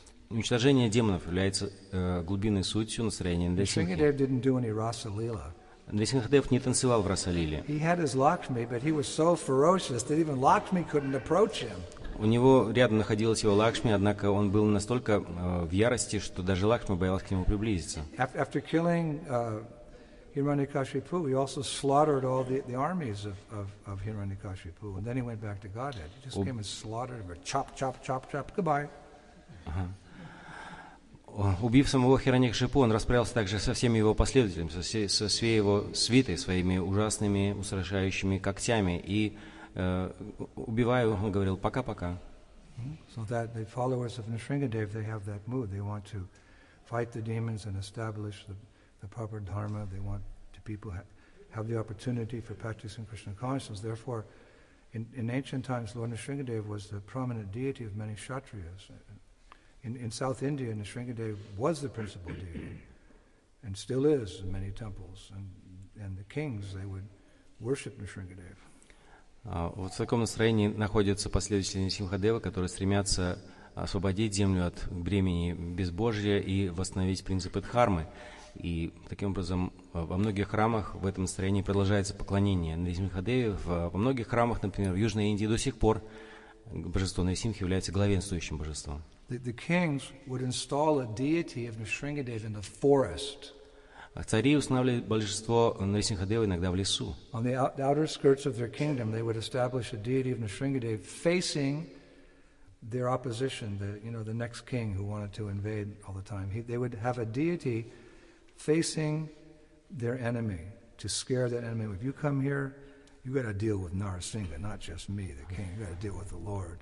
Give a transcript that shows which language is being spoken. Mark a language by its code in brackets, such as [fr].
[ru] Уничтожение демонов является глубинной сутью настроения Нрисимхадевы. Нрисимхадев не танцевал в Расалиле. [en] He had his Lakshmi, but he was so ferocious that even Lakshmi couldn't approach him. [ru] У него рядом находилась его Лакшми, однако он был настолько в ярости, что даже Лакшми боялась к нему приблизиться. [en] After killing Hiranyakashipu, he also slaughtered all the armies of Hiranyakashipu, and then he went back to Godhead. He just came and slaughtered him, chop, chop, chop, chop. Goodbye. [ru] Убив самого Хираньякшипу, он расправился также со всеми его последователями, со всей его свитой, своими ужасными устрашающими когтями, и убиваю, он говорил, пока-пока. [en] So that the followers of Nisringadev, they have that mood. They want to fight the demons and establish the proper dharma. They want the people have the opportunity for practicing Krishna consciousness. Therefore, in ancient times, Lord Nisringadev was the prominent deity of many Kshatriyas. In South India, Nisringadev was the principal deity and still is in many temples. And the kings, they would worship Nisringadev. [ru] Вот в таком настроении находятся последователи Нисимхадева, которые стремятся освободить землю от бремени безбожия и восстановить принципы дхармы. И таким образом во многих храмах в этом настроении продолжается поклонение Нисимхадеве. Во многих храмах, например, в Южной Индии до сих пор божество Нисимхи является главенствующим божеством. [en] The kings would install a deity of Nisringadev in the forest. [ru] Цари устанавливали божество Нарисимхадева иногда в лесу. [en] On the outer skirts of their kingdom, they would establish a deity of Nisringadev facing their opposition, the next king who wanted to invade all the time. They would have a deity facing their enemy to scare that enemy. If you come here, you got to deal with Narasimha, not just me, the king. You got to deal with the Lord.